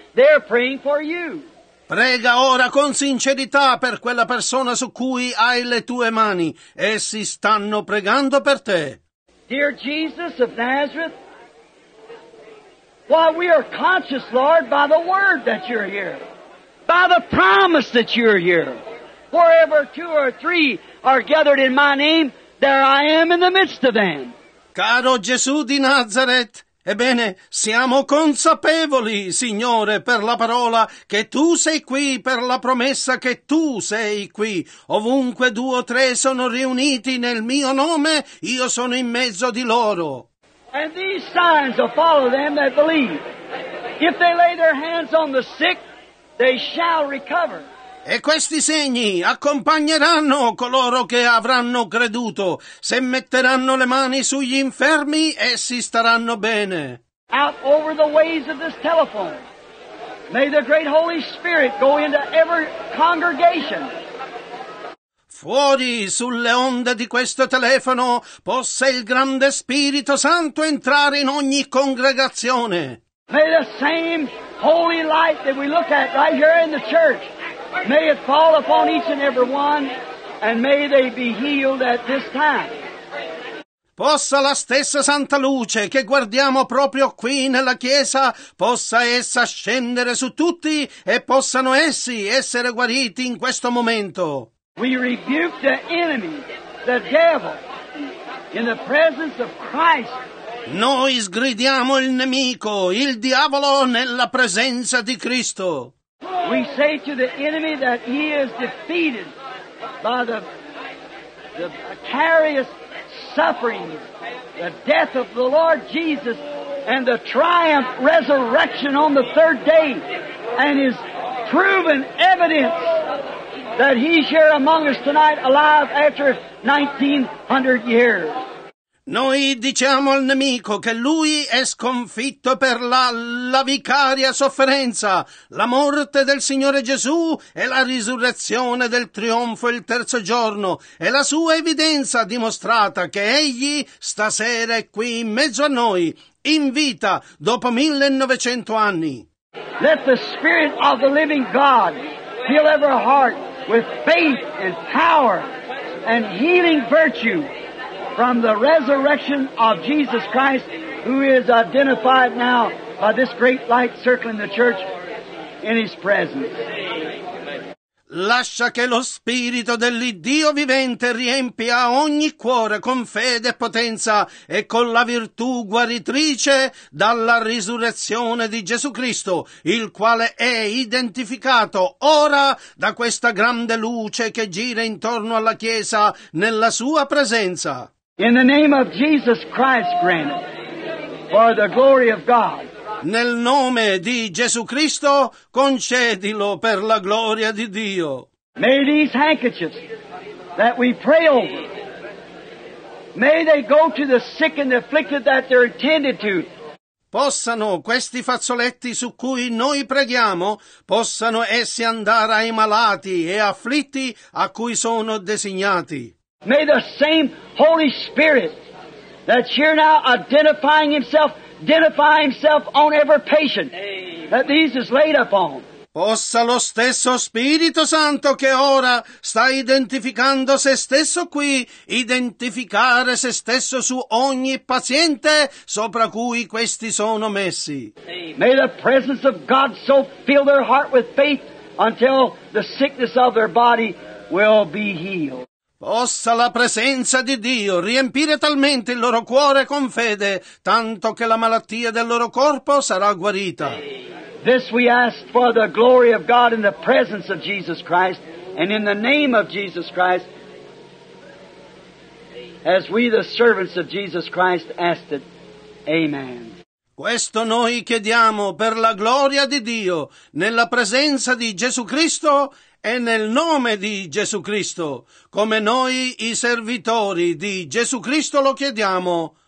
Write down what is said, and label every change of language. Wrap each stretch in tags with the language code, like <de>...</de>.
<en>They're praying for you.</en> <it>Prega ora con sincerità per quella persona su cui hai le tue mani. Essi stanno pregando per te.</it> <en>Dear Jesus of Nazareth, why we are conscious, Lord, by the word that you're here, by the promise that you're here. Wherever two or three are gathered in my name, there I am in the midst of them.</en> <it>Caro Gesù di Nazareth, ebbene, siamo consapevoli, Signore, per la parola che Tu sei qui, per la promessa che Tu sei qui. Ovunque due o tre sono riuniti nel mio nome, io sono in mezzo di loro.</it> <en>And these signs will follow them that believe. If they lay their hands on the sick, they shall recover.</en> <it>E questi segni accompagneranno coloro che avranno creduto. Se metteranno le mani sugli infermi, essi staranno bene.</it> <en>Out over the ways of this telephone. May the great Holy Spirit go into every congregation.</en> <it>Fuori, sulle onde di questo telefono, possa il grande Spirito Santo entrare in ogni congregazione.</it> <en>May the same holy light that we look at right here in the church, may it fall upon each and every one, and may they be healed at this time.</en> <it>Possa la stessa santa luce che guardiamo proprio qui nella chiesa, possa essa scendere su tutti e possano essi essere guariti in questo momento.</it> <en>We rebuke the enemy, the devil, in the presence of Christ.</en> <it>Noi sgridiamo il nemico, il diavolo, nella presenza di Cristo.</it> <en>We say to the enemy that he is defeated by the vicarious suffering, the death of the Lord Jesus, and the triumph resurrection on the third day, and is proven evidence that he's here among us tonight, alive after 1900 years.</en> <it>Noi diciamo al nemico che lui è sconfitto per la vicaria sofferenza, la morte del Signore Gesù e la risurrezione del trionfo il terzo giorno, e la sua evidenza dimostrata che egli stasera è qui in mezzo a noi, in vita, dopo 1900 anni.</it> <en>Let the Spirit of the living God heal every heart with faith and power and healing virtue from the resurrection of Jesus Christ, who is identified now by this great light circling the church in his presence.</en> <it>Lascia che lo Spirito dell'Iddio vivente riempia ogni cuore con fede e potenza e con la virtù guaritrice dalla risurrezione di Gesù Cristo, il quale è identificato ora da questa grande luce che gira intorno alla Chiesa nella sua presenza.</it> <en>In the name of Jesus Christ, grant it for the glory of God.</en> <it>Nel nome di Gesù Cristo, concedilo per la gloria di Dio.</it> <en>May these handkerchiefs that we pray over, may they go to the sick and the afflicted that they're intended to.</en> <it>Possano questi fazzoletti su cui noi preghiamo, possano essi andare ai malati e afflitti a cui sono designati.</it> <en>May the same Holy Spirit that's here now identifying himself, identify himself on every patient that these is laid upon.</en> <it>Possa lo stesso Spirito Santo che ora sta identificando se stesso qui, identificare se stesso su ogni paziente sopra cui questi sono messi.</it> <en>May the presence of God so fill their heart with faith until the sickness of their body will be healed.</en> <it>Possa la presenza di Dio riempire talmente il loro cuore con fede, tanto che la malattia del loro corpo sarà guarita.</it> <en>This we ask for the glory of God in the presence of Jesus Christ and in the name of Jesus Christ, as we the servants of Jesus Christ asked it. Amen.</en> <it>Questo noi chiediamo per la gloria di Dio, nella presenza di Gesù Cristo e nel nome di Gesù Cristo, come noi i servitori di Gesù Cristo lo chiediamo.</it>